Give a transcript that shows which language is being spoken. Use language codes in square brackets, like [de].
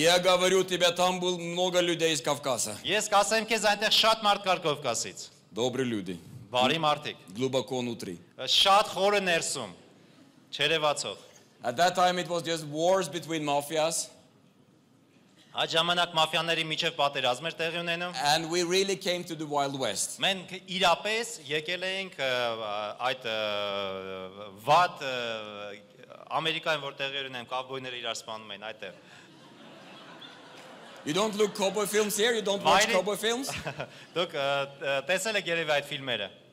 [ru] Я говорю тебе там был много людей из Кавказа [hy] Ես կասեմ քեզ այնտեղ շատ մարդ կար Կովկասից [ru] Добрые люди [hy] Բարի մարդիկ [ru] Глубоко внутри [hy] Շատ խորը ներսում Չերևացող [en] At that time it was just wars between mafias [hy] Այդ ժամանակ մաֆիաների միջև պատերազմ էր տեղի ունենում [en] And we really came to the Wild West [hy] Մենք իրապես եկել էինք այդ վատ ամերիկայում որ տեղի ունեն կովբոյները իրար սպանում են այդտեղ [en] You don't look cowboy films here you don't watch cowboy films [hy] Դուք տեսել եք երևի այդ ֆիլմերը